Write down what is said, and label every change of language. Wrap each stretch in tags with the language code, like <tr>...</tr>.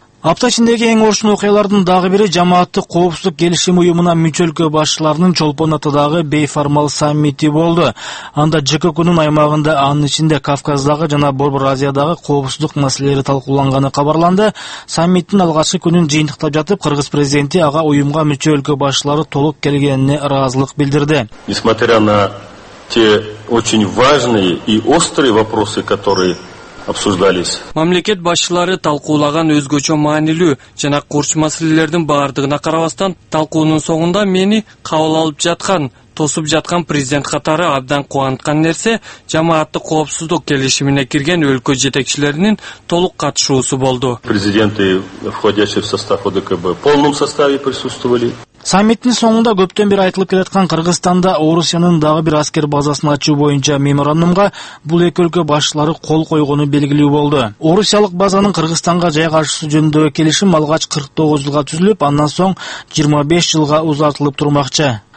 <ky>Апта ичиндеги эң оорчун окуялардын дагы бири жамааттык коопсуздук келишими уюмуна мүчөлкө башчыларынын Чолпон Атадагы бейформал саммити болду. Анда ЖККнын аймагында, анын ичинде Кавказдагы жана Борбор Азиядагы коопсуздук маселелери талкууланганы кабарланды. Саммиттин алгачкы күнүн жыйынтыктап жатып, кыргыз президенти ага уюмга мүчөлкө башчылары толук келгенине ыраазылык билдирди.</ky> <ru>Несмотря на те очень важные и острые вопросы, которые обсуждались.</ru> <ky>Мамлекет башчылары талкуулаган өзгөчө маанилүү жана курч маселелердин баардыгына карабастан, талкуунун соңунда мени кабыл алып жаткан, тосуп жаткан президент катары абдан кубанткан нерсе жамааттык коопсуздук келишимине кирген өлкө жетекчилеринин толук катышуусу болду.</ky> <ru>Президенты, входящие в состав ОДКБ, в полном составе присутствовали.</ru> <ky>Саммиттин соңунда көптөн бери айтылып келаткан Кыргызстанда Орусиянын дагы бир аскер базасын ачуу боюнча меморандумга бул эки өлкө башчылары кол койгону белгилүү болду. Орусиялык базанын Кыргызстанга жайгашуусу жөнүндөгү келишим алгач 49 жылга түзүлүп, андан соң 25 жылга узартылып турмакчы.</ky>